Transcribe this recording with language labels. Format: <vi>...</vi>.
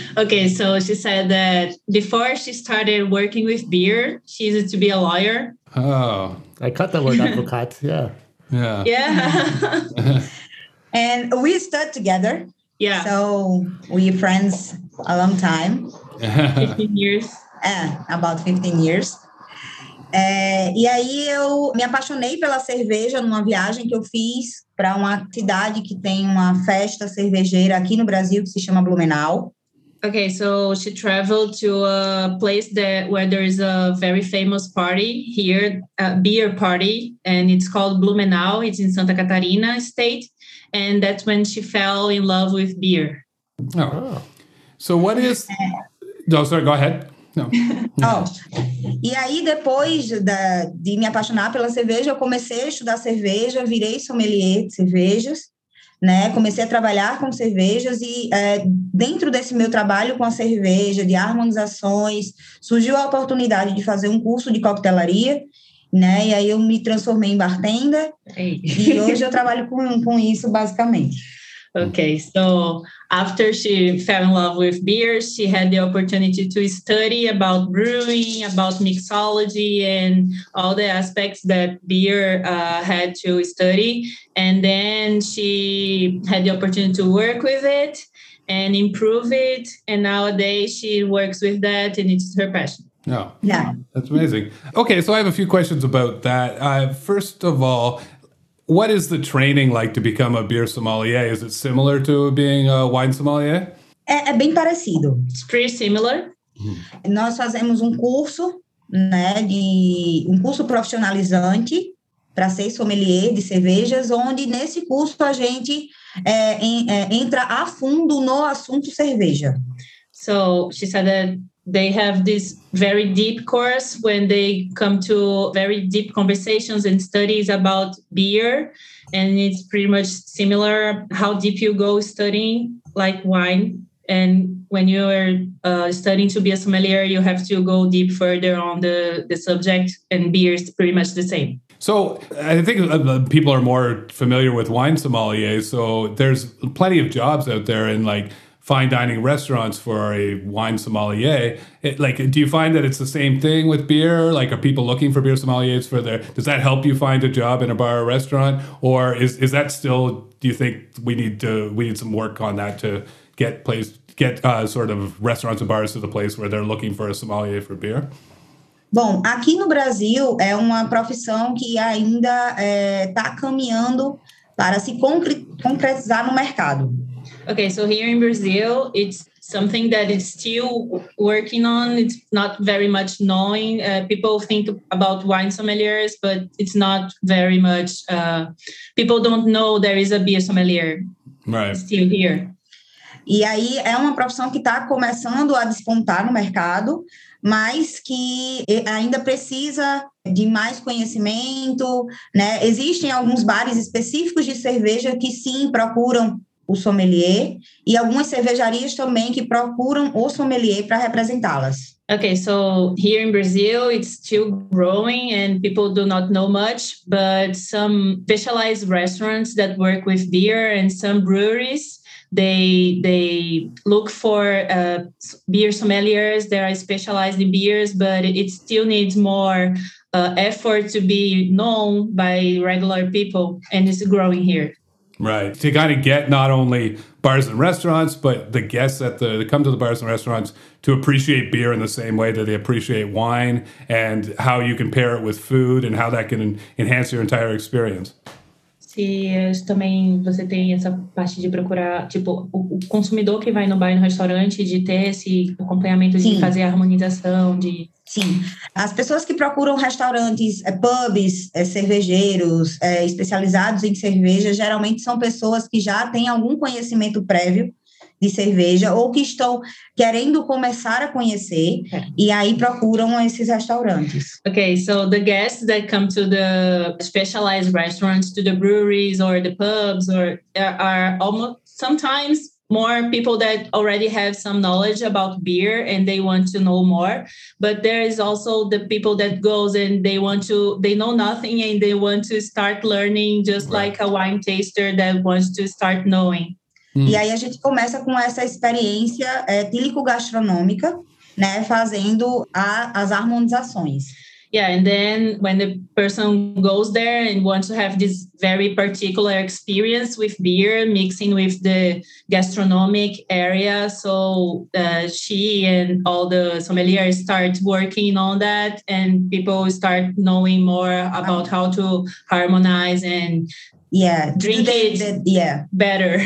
<en>Okay, so she said that before she started working with beer, she used to be a lawyer. Oh, I cut the word advocate. Yeah. Yeah. Yeah. And we stood together. Yeah. So we're friends a long time. 15 years. About 15 years.</en> <pt>E aí eu me apaixonei pela cerveja numa viagem que eu fiz para uma cidade que tem uma festa cervejeira aqui no Brasil que se chama Blumenau.</pt> <en>Okay, so she traveled to a place where there is a very famous party here, a beer party, and it's called Blumenau. It's in Santa Catarina state. And that's when she fell in love with beer. Oh. So what is... Oh, sorry, go ahead. No. Oh.</en> <pt>E aí, depois de me apaixonar pela cerveja, eu comecei a estudar cerveja, virei sommelier de cervejas, né? Comecei a trabalhar com cervejas e dentro desse meu trabalho com a cerveja, de harmonizações, surgiu a oportunidade de fazer um curso de coquetelaria. Né? E aí eu me transformei em bartender.</pt> <en>Hey.</en> <pt>E hoje eu trabalho com isso basicamente.</pt> <en>Okay, so after she fell in love with beer, she had the opportunity to study about brewing, about mixology, and all the aspects that beer had to study. And then she had the opportunity to work with it and improve it. And nowadays she works with that and it's her passion. Oh, yeah. That's amazing. Okay, so I have a few questions about that. First of all, what is the training like to become a beer sommelier? Is it similar to being a wine sommelier?</en> <pt>É bem parecido.</pt> <en>It's pretty similar.</en> <pt>Nós fazemos curso, né, de curso profissionalizante para ser sommelier de cervejas, onde nesse curso a gente entra a fundo no assunto cerveja.</pt> <en>So, she said that they have this very deep course when they come to very deep conversations and studies about beer. And it's pretty much similar how deep you go studying like wine. And when you are studying to be a sommelier, you have to go deep further on the subject, and beer is pretty much the same. So I think people are more familiar with wine sommeliers. So there's plenty of jobs out there in like fine dining restaurants for a wine sommelier. Do you find that it's the same thing with beer? Like, are people looking for beer sommeliers for their, does that help you find a job in a bar or restaurant? Or is that still, do you think we need some work on that to get restaurants and bars to the place where they're looking for a sommelier for beer?</en> <pt>Bom, aqui no Brasil é uma profissão que ainda está caminhando para se concretizar no mercado.</pt> <en>Okay, so here in Brazil, it's something that is still working on. It's not very much knowing. People think about wine sommeliers, but it's not very much. People don't know there is a beer sommelier still here.</en> <pt>E aí é uma profissão que está começando a despontar no mercado, mas que ainda precisa de mais conhecimento, né? Existem alguns bares específicos de cerveja que sim procuram o sommelier, e algumas cervejarias também que procuram o sommelier para representá-las.</pt> <en>Okay, so here in Brazil, it's still growing and people do not know much, but some specialized restaurants that work with beer and some breweries, they look for beer sommeliers that are specialized in beers, but it still needs more effort to be known by regular people, and it's growing here. Right. To kind of get not only bars and restaurants, but the guests at that come to the bars and restaurants to appreciate beer in the same way that they appreciate wine, and how you can pair it with food and how that can enhance your entire experience.</en> <pt>Se também você tem essa parte de procurar, tipo, o consumidor que vai no bar e no restaurante, de ter esse acompanhamento, de fazer a harmonização, de... Sim. As pessoas que procuram restaurantes, pubs, cervejeiros, especializados em cerveja, geralmente são pessoas que já têm algum conhecimento prévio de cerveja ou que estão querendo começar a conhecer e aí procuram esses restaurantes.</pt> <en>Okay, so the guests that come to the specialized restaurants, to the breweries or the pubs, or are almost sometimes more people that already have some knowledge about beer and they want to know more. But there is also the people that goes and they know nothing and they want to start learning, just like a wine taster that wants to start knowing.</en> <pt>E aí a gente começa com essa experiência etílico-gastronômica, né, fazendo as harmonizações.</pt> <en>Yeah, and then when the person goes there and wants to have this very particular experience with beer, mixing with the gastronomic area, so she and all the sommeliers start working on that and people start knowing more about how to harmonize and drink it better.</en>